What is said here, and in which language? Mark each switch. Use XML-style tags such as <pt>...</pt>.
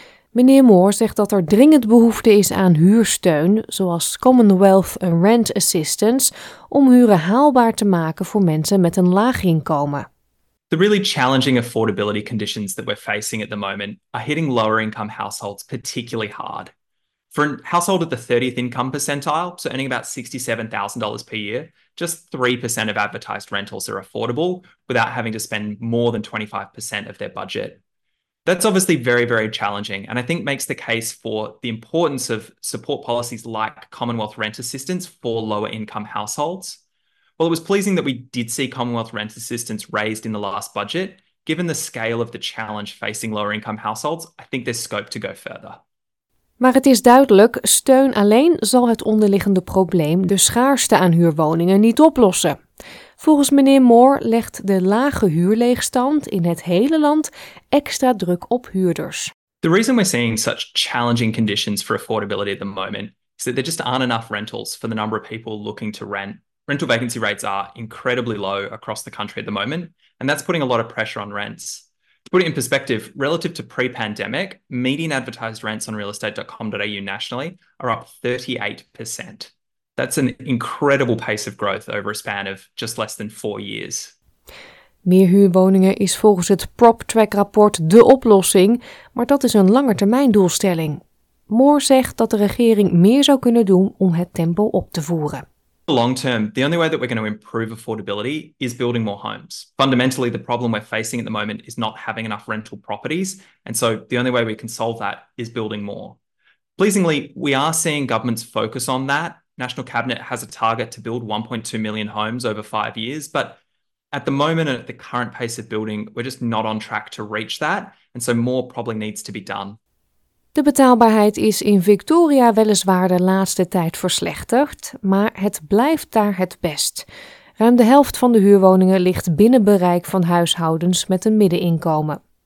<nl>Meneer Moore zegt dat er dringend behoefte is aan huursteun, zoals Commonwealth Rent Assistance, om huren haalbaar te maken voor mensen met een laag inkomen.</nl> <en>The really challenging affordability conditions that we're facing at the moment are hitting lower income households particularly hard. For a household at the 30th income percentile, so earning about $67,000 per year, just 3% of advertised rentals are affordable without having to spend more than 25% of their budget. That's obviously very, very challenging, and I think makes the case for the importance of support policies like Commonwealth Rent Assistance for lower income households. Well, it was pleasing that we did see Commonwealth Rent Assistance raised in the last budget. Given the scale of the challenge facing lower income households, I think there's scope to go further.</en> <nl>Maar het is duidelijk, steun alleen zal het onderliggende probleem, de schaarste aan huurwoningen, niet oplossen. Volgens meneer Moore legt de lage huurleegstand in het hele land extra druk op huurders.</nl> <en>The reason we're seeing such challenging conditions for affordability at the moment is that there just aren't enough rentals for the number of people looking to rent. Rental vacancy rates are incredibly low across the country at the moment, and that's putting a lot of pressure on rents. To put it in perspective, relative to pre-pandemic, median advertised rents on realestate.com.au nationally are up 38%. That's an incredible pace of growth over a span of just less than 4 years.</en> <nl>Meer huurwoningen is volgens het PropTrack-rapport de oplossing, maar dat is een langetermijndoelstelling. Moore zegt dat de regering meer zou kunnen doen om het tempo op te voeren.</nl> <en>Long term, the only way that we're going to improve affordability is building more homes. Fundamentally, the problem we're facing at the moment is not having enough rental properties, and so the only way we can solve that is building more. Pleasingly, we are seeing governments focus on that. National Cabinet has a target to build 1.2 million homes over 5 years, but at the moment and at the current pace of building, we're just not on track to reach that, and so more probably needs to be done.</en> <nl>De betaalbaarheid is in Victoria weliswaar de laatste tijd verslechterd, maar het blijft daar het best. Ruim de helft van de huurwoningen ligt binnen bereik van huishoudens met een middeninkomen.</nl>